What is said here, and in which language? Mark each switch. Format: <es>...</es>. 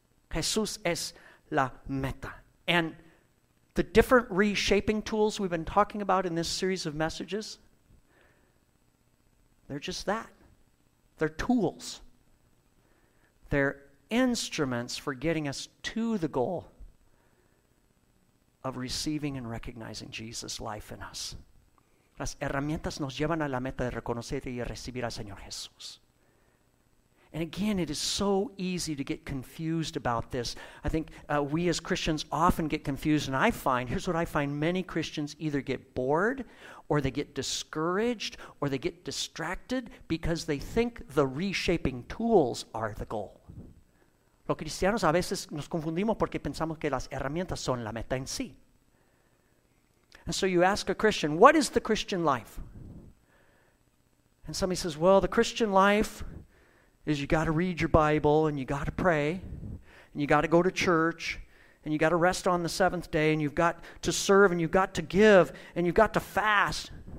<es>Jesús es la meta.</es> <en>And the different reshaping tools we've been talking about in this series of messages, they're just that. They're tools. They're instruments for getting us to the goal of receiving and recognizing Jesus' life in us.</en> <es>Las herramientas nos llevan a la meta de reconocer y recibir al Señor Jesús.</es> <en>And again, it is so easy to get confused about this. I think we as Christians often get confused, and here's what I find, many Christians either get bored, or they get discouraged, or they get distracted because they think the reshaping tools are the goal.</en> <es>Los cristianos a veces nos confundimos porque pensamos que las herramientas son la meta en sí.</es> <en>And so you ask a Christian, what is the Christian life? And somebody says, well, the Christian life is you got to read your Bible and you got to pray and you got to go to church and you got to rest on the seventh day and you've got to serve and you've got to give and you've got to fast.</en>